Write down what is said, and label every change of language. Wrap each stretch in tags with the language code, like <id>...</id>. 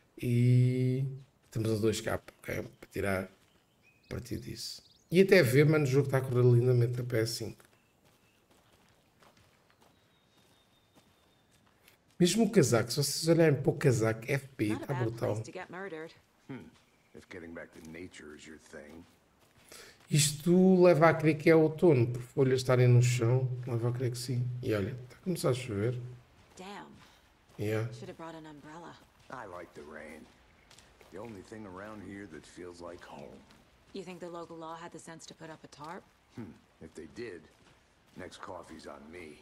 <pt>E estamos a 2K, ok? Para tirar partido disso. E até ver, mano, o jogo está a correr lindamente na PS5. Mesmo o casaco, se vocês olharem para o casaco, FP,</pt> <en>Not a</en> <pt>está</pt> <en>bad place</en> <pt>brutal.</pt> <en>to get murdered. If getting back to nature is your thing.</en> <pt>Isto leva a crer que é outono, por folhas estarem no chão, leva a crer que sim. E olha, está a começar a chover.</pt> <en>Damn. Should have brought an umbrella. I like the rain. The only thing around here that feels like home. You think the local law had the sense to put up a tarp? If they did, next coffee's on me.</en>